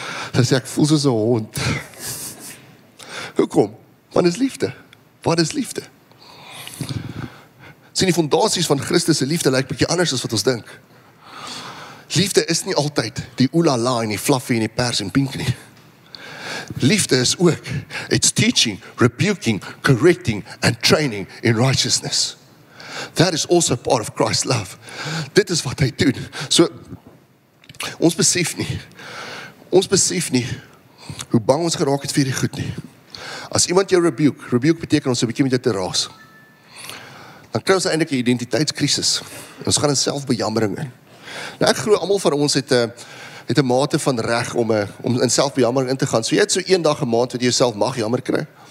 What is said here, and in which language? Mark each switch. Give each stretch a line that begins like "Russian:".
Afrikaans: Dan sê ek, voel soos 'n hond. Hoekom? Want is liefde. Wat is liefde? Sien, die fondasies van Christus se liefde lyk bietjie anders as wat ons dink. Liefde is nie altyd die oolala en die fluffy en die pers en pink nie. Liefde is ook,
English: it's teaching, rebuking, correcting and training in righteousness. That is also part of Christ's love.
Afrikaans: Dit is wat hy doen. So, ons besef nie hoe bang ons geraak het vir hierdie goed nie. As iemand jou rebuke beteken ons 'n bietjie met jou te raas. Dan kry ons eintlik 'n identiteitskrisis. Ons gaan in selfbejammering in. Nou ek glo almal van ons het 'n mate van reg om in selfbejammering in te gaan. So jy het so een dag 'n maand wat jy jouself mag jammer kry.